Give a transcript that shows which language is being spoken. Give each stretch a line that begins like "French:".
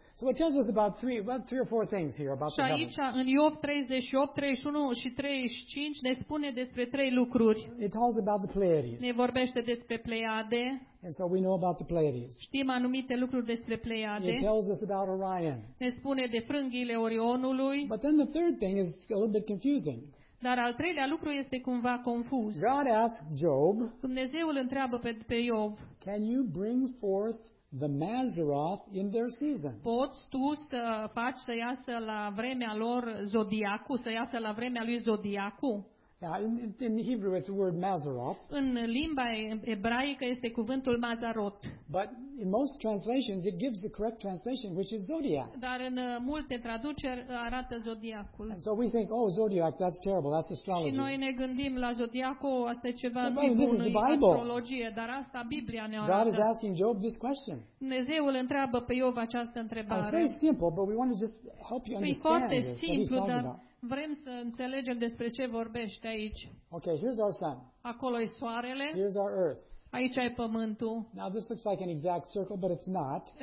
English: So it tells us about three or four things here about the heavens.
Romanian: Și aici, în Iov 38, 31 și 35, ne spune despre trei lucruri.
English: It tells about the Pleiades.
Romanian: Ne vorbește despre Pleiade.
English: And so we know about the Pleiades.
Romanian: Știm anumite lucruri despre Pleiade.
English: It tells us about Orion.
Romanian: Ne spune de frânghiile Orionului.
English: But then the third thing is a little bit confusing.
Romanian: Dar al treilea lucru este cumva confuz.
English: God asked Job,
Romanian: Dumnezeu îl întreabă pe Iov,
English: can you bring forth the Maseroth in their season?
Romanian: Poți tu să faci să iasă la vremea lor zodiacul, să iasă la vremea lui zodiacul?
English: Yeah, in Hebrew it's the word Maseroth.
Romanian: În limba ebraică este cuvântul Maseroth.
English: But in most translations it gives the correct translation, which is zodiac.
Romanian: Dar în multe traduceri arată zodiacul.
English: And so we think, oh, zodiac, that's terrible, that's astrology.
Romanian: Și noi ne gândim la zodiacul, asta e ceva nebun, e astrologie, dar asta Biblia ne arată.
English: God is asking Job this question.
Romanian: Dumnezeu îl întreabă pe Iov această întrebare.
English: It's very simple, but we want to just help you understand.
Romanian: E foarte simplu,
English: this,
Romanian: dar vrem să înțelegem despre ce vorbește aici.
English: Okay, here's our sun.
Romanian: Acolo e soarele.
English: Here's our earth.
Romanian: Aici e pământul.
English: Now this looks like an exact circle, but it's not.